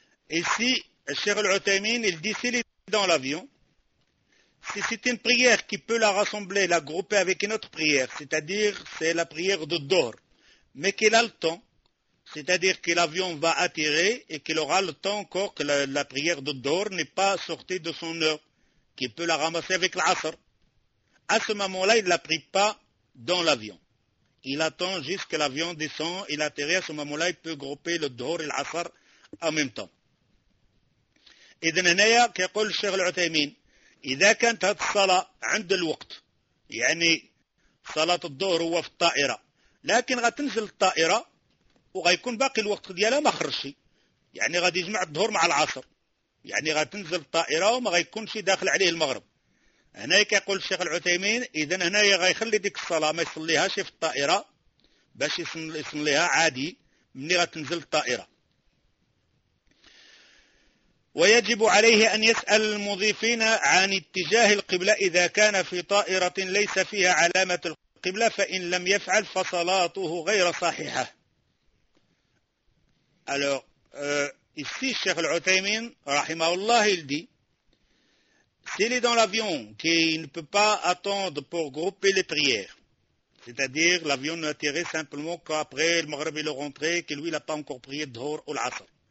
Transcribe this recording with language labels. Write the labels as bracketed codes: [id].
[fr] Ici, Cheikh Al-Uthaymin, il dit s'il est dans l'avion, si c'est une prière qui peut la rassembler, la grouper avec une autre prière, c'est-à-dire c'est la prière de Dohr, mais qu'il a le temps, c'est-à-dire que l'avion va attirer et qu'il aura le temps encore que la prière de Dohr n'est pas sortie de son heure, qu'il peut la ramasser avec l'Asr. À ce moment-là, il ne la prie pas dans l'avion. Il attend jusqu'à ce que l'avion descende et atterrit. À ce moment-là, il peut grouper le Dohr et l'Asr en même temps. [ar] إذن هنا كيقول الشيخ العثيمين إذا كانت هذه الصلاة عند الوقت يعني صلاة الظهر هو في الطائرة لكن غتنزل الطائرة وغيكون باقي الوقت ديالها ما خرجشي يعني غادي يجمع الظهر مع العصر يعني غتنزل الطائرة وما غيكونش داخل عليه المغرب. هنا كيقول الشيخ العثيمين إذن هنا غيخلي ديك الصلاة ما يصليهاش في الطائرة باش يصليها عادي مني غتنزل الطائرة. ويجب عليه أن يسأل المضيفين عن اتجاه القبلة إذا كان في طائرة ليس فيها علامة القبلة فإن لم يفعل فصلاته غير صحيحة. [fr] Alors, ici, Cheikh Al-Uthaymin, rahimahullah, il dit, s'il est dans l'avion, qu'il ne peut pas attendre pour grouper les prières, c'est-à-dire l'avion ne tirait simplement qu'après le Maghreb est rentré, que lui n'a pas encore prié Dhuhr ou l'Asr.